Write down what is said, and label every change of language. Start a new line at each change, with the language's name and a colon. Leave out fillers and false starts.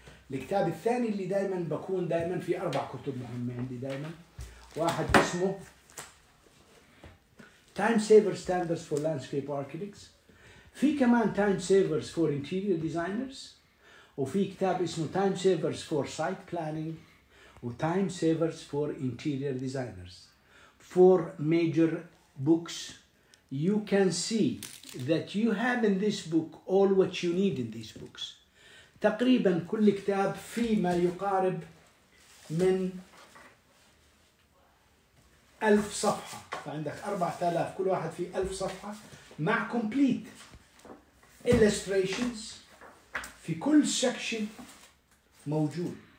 Arabic: الكتاب الثاني اللي دائما بكون دائما في اربع كتب مهمه عندي دائما، واحد اسمه تايم سيفر ستاندرز فور لاندسكيب اركيتكتس، في كمان Time Savers for Interior Designers، وفي كتاب اسمه Time Savers for Site Planning و Time Savers for Interior Designers.
English: Four major books. You can see that you have in this book all what you need in these books.
Arabic: تقريبا كل كتاب في ما يقارب من 1000 صفحة، فعندك 4000، كل واحد في 1000 صفحة مع
English: complete illustrations
Arabic: في كل section موجود.